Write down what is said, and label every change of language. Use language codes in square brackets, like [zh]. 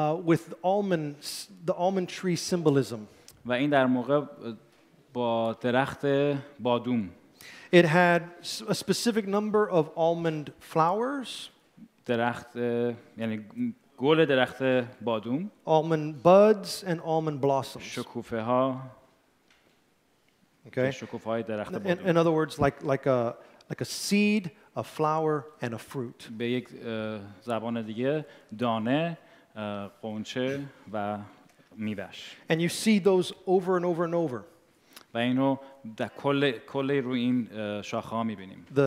[en] with the almond tree symbolism. [fa] و این در موقع با درخت بادوم. [en] It had a specific number of almond flowers. [fa] درخت یعنی گل درخت بادوم. [en] Almond buds and almond blossoms. [fa] شکوفه ها. [en] Okay. In other words, like a seed, a flower, and a fruit. [fa] به یک زبان دیگه دانه، قنچه و میوه‌اش. [en] And you see those over and over and over. [fa] و اینو در کل روی این شاخه‌ها می‌بینیم.